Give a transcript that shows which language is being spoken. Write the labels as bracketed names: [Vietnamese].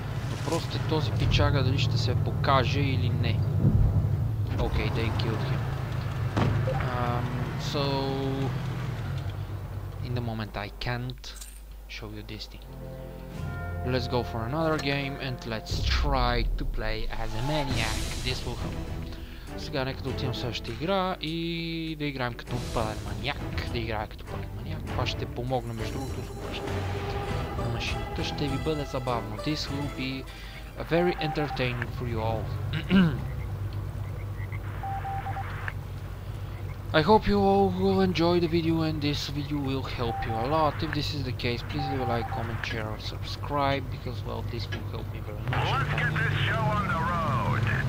[Bulgarian] Въпросът е този пичага дали ще се покаже или не. [English] Okay, they killed him. So in the moment I can't show you this thing. Let's go for another game and let's try to play as a maniac. This will help. [Bulgarian] Сега нека да отидем в същата игра и да играем като пълен маняк. Да играя като пълен маняк. Това ще помогна между другото с обръщането на машината. Ще ви бъде забавно. [English] This will be very entertaining for you all. I hope you all will enjoy the video and this video will help you a lot. If this is the case, please leave a like, comment, share or subscribe because, well, this will help me very much. Let's get this show on the road!